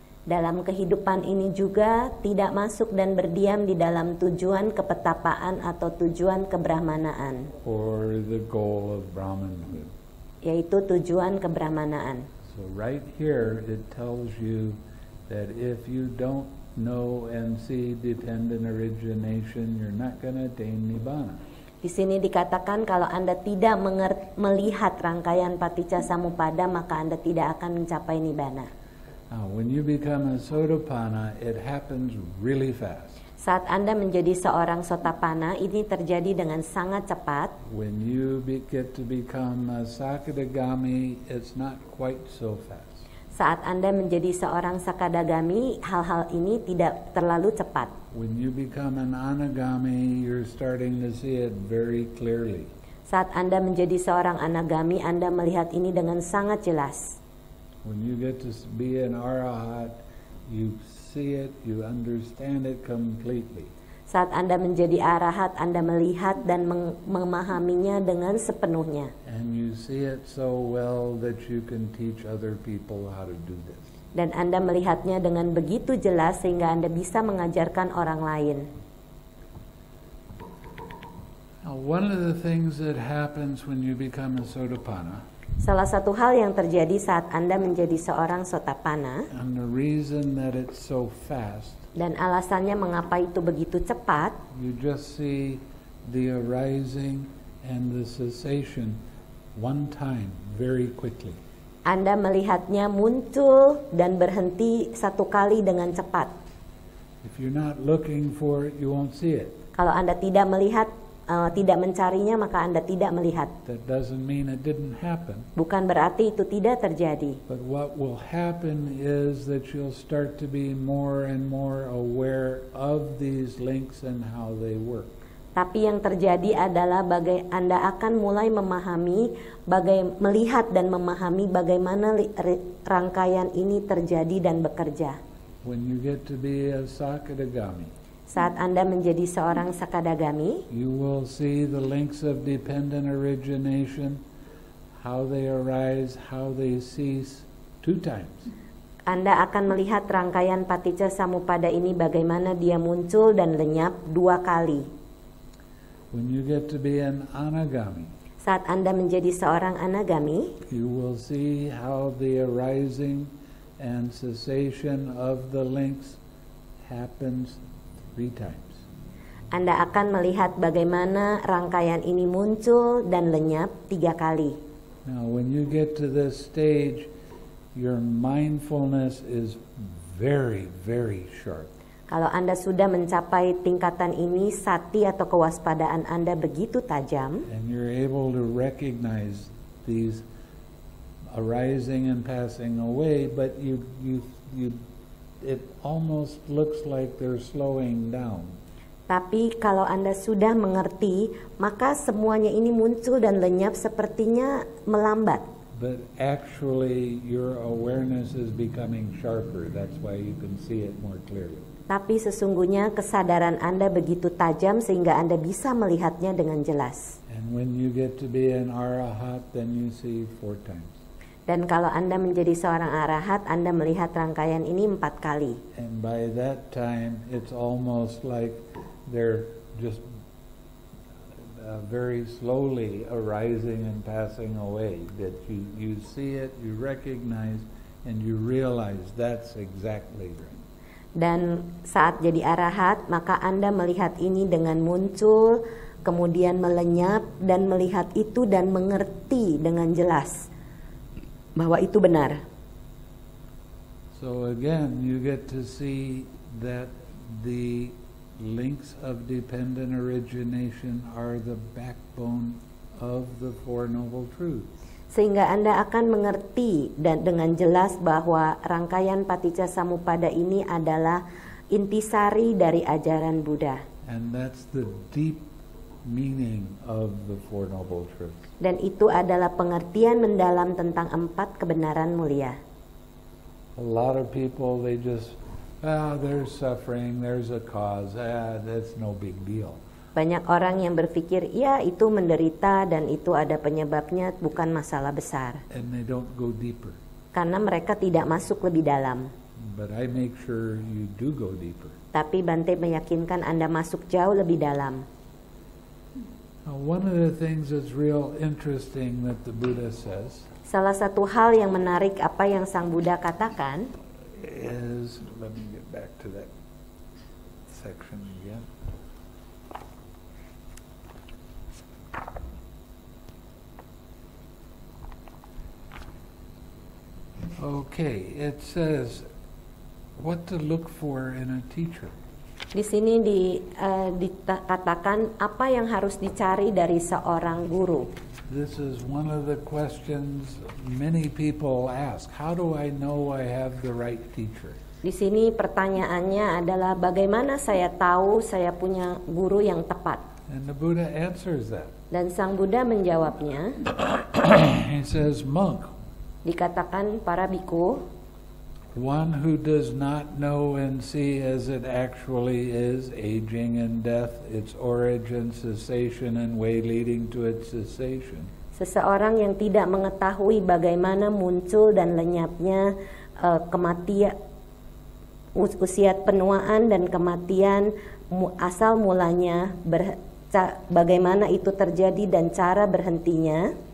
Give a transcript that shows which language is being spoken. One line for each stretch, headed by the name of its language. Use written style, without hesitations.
Indonesian: Dalam kehidupan ini juga tidak masuk dan berdiam di dalam tujuan kepetapaan atau tujuan kebrahmanaan.
English: Or the goal of Brahmanhood.
Indonesian: Yaitu tujuan kebrahmanaan.
English: So right here it tells you that if you don't know and see dependent origination, you're not going to attain Nibbana.
Indonesian: Di sini dikatakan kalau Anda tidak melihat rangkaian Paticcasamuppada, maka Anda tidak akan mencapai Nibbana.
English: Now, when you become a sotapanna, it happens really fast.
Indonesian: Saat Anda menjadi seorang sotapanna, ini terjadi dengan sangat cepat.
English: When you get to become a sakadagami, it's not quite so fast.
Indonesian: Saat Anda menjadi seorang sakadagami, hal-hal ini tidak terlalu cepat.
English: When you become an anagami, you're starting to see it very clearly.
Indonesian: Saat Anda menjadi seorang anagami, Anda melihat ini dengan sangat jelas.
English: When you get to be an arahat, you see it, you understand it completely.
Indonesian: Saat Anda menjadi arahat, Anda melihat dan memahaminya dengan sepenuhnya.
English: And you see it so well that you can teach other people how to do this.
Indonesian: Dan Anda melihatnya dengan begitu jelas sehingga Anda bisa mengajarkan orang lain.
English: Now, one of the things that happens when you become a sotapanna.
Indonesian: Salah satu hal yang terjadi saat Anda menjadi seorang sotapanna.
English: And the reason that it's so fast.
Indonesian: Dan alasannya mengapa itu begitu cepat.
English: You just see the arising and the cessation one time, very quickly.
Indonesian: Anda melihatnya muncul dan berhenti satu kali dengan cepat.
English: If you're not looking for it, you won't see it.
Indonesian: Kalau Anda tidak melihat, tidak mencarinya, maka Anda tidak melihat.
English: That doesn't mean it didn't happen.
Indonesian: Bukan berarti itu tidak terjadi.
English: But what will happen is that you'll start to be more and more aware of these links and how they work.
Indonesian: Tapi yang terjadi adalah Anda akan mulai memahami, melihat dan memahami bagaimana rangkaian ini terjadi dan bekerja.
English: When you get to be a Sakadagami,
Indonesian: saat Anda menjadi seorang Sakadagami,
English: you will see the links of dependent origination, how they arise, how they cease, two times.
Indonesian: Anda akan melihat rangkaian Paticca Samuppada ini bagaimana dia muncul dan lenyap dua kali.
English: When you get to be an anagami,
Indonesian: saat Anda menjadi seorang anagami,
English: you will see how the arising and cessation of the links happens three times.
Indonesian: Anda akan melihat bagaimana rangkaian ini muncul dan lenyap tiga kali.
English: Now, when you get to this stage, your mindfulness is very, very sharp.
Indonesian: Kalau Anda sudah mencapai tingkatan ini, sati atau kewaspadaan Anda begitu tajam.
English: And you're able to recognize these arising and passing away, but it almost looks like they're slowing down.
Indonesian: Tapi kalau Anda sudah mengerti, maka semuanya ini muncul dan lenyap sepertinya melambat.
English: But actually your awareness is becoming sharper. That's why you can see it more clearly.
Indonesian: Tapi sesungguhnya kesadaran Anda begitu tajam sehingga Anda bisa melihatnya dengan jelas.
English: And when you get to be an arahat, then you see four times.
Indonesian: Dan kalau Anda menjadi seorang arahat, Anda melihat rangkaian ini empat kali.
English: And by that time, it's almost like they're just very slowly arising and passing away. That you see it, you recognize, and you realize that's exactly right.
Indonesian: Dan saat jadi arahat, maka Anda melihat ini dengan muncul, kemudian melenyap, dan melihat itu dan mengerti dengan jelas bahwa itu benar.
English: So again, you get to see that the links of dependent origination are the backbone of the Four Noble Truths.
Indonesian: Sehingga Anda akan mengerti dan dengan jelas bahwa rangkaian Paticca Samuppada ini adalah intisari dari ajaran Buddha.
English: And that's the deep meaning of the Four Noble Truths.
Indonesian: Dan itu adalah pengertian mendalam tentang empat kebenaran mulia.
English: A lot of people, they just, there's suffering, there's a cause, that's no big deal.
Indonesian: Banyak orang yang berpikir, ya itu menderita dan itu ada penyebabnya, bukan masalah besar.
English: And they don't go deeper.
Indonesian: Karena mereka tidak masuk lebih dalam.
English: But I make sure you do go deeper.
Indonesian: Tapi Bante meyakinkan Anda masuk jauh lebih dalam.
English: Now, one of the things that's real interesting that the Buddha says.
Indonesian: Salah satu hal yang menarik apa yang Sang Buddha katakan.
English: Is, let me get back to that section again. Okay, it says what to look for in a teacher.
Indonesian: Di sini dikatakan apa yang harus dicari dari seorang guru.
English: This is one of the questions many people ask. How do I know I have the right teacher?
Indonesian: Di sini pertanyaannya adalah bagaimana saya tahu saya punya guru yang tepat?
English: And the Buddha answers that.
Indonesian: Dan Sang Buddha menjawabnya.
English: He says, monk.
Indonesian: Dikatakan para bhikkhu,
English: One who does not know and see as it actually is, aging and death, its origin, cessation, and way leading to its cessation.
Indonesian: Seseorang yang tidak mengetahui bagaimana muncul dan lenyapnya kematian, usia penuaan dan kematian, asal mulanya, bagaimana itu terjadi dan cara berhentinya.